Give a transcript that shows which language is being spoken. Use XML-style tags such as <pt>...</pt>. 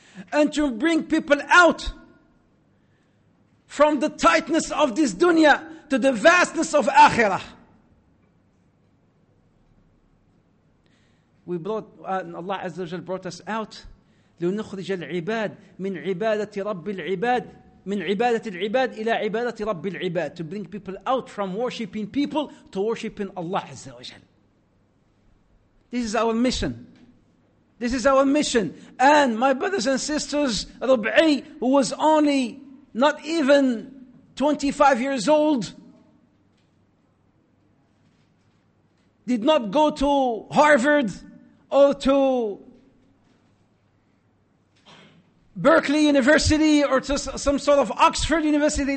<en>And to bring people out from the tightness of this dunya to the vastness of akhirah. Allah Azza wa Jal brought us out.</en> <ar>لنخرج العباد من عبادة رب العباد من عبادة العباد إلى عبادة رب العباد.</ar> <en>To bring people out from worshipping people to worshipping Allah Azza wa Jal. This is our mission. This is our mission. And my brothers and sisters, Rub'i, who was only not even 25 years old, did not go to Harvard or to Berkeley University or to some sort of Oxford University.</en>